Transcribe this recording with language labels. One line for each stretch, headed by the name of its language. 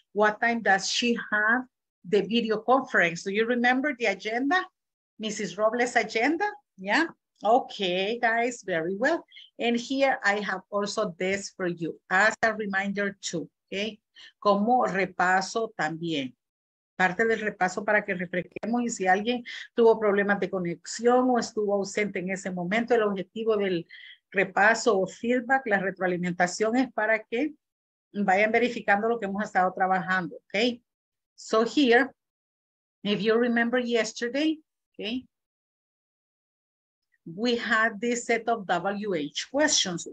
English: What time does she have the video conference? Do you remember the agenda? Mrs. Robles' agenda, yeah? Okay, guys, very well. And here I have also this for you as a reminder too, okay?
Spanish: Como repaso también. Parte del repaso para que refresquemos y si alguien tuvo problemas de conexión o estuvo ausente en ese momento, el objetivo del repaso o feedback, la retroalimentación es para que vayan verificando lo que hemos estado trabajando, okay?
English: So here, if you remember yesterday, okay, we had this set of WH questions.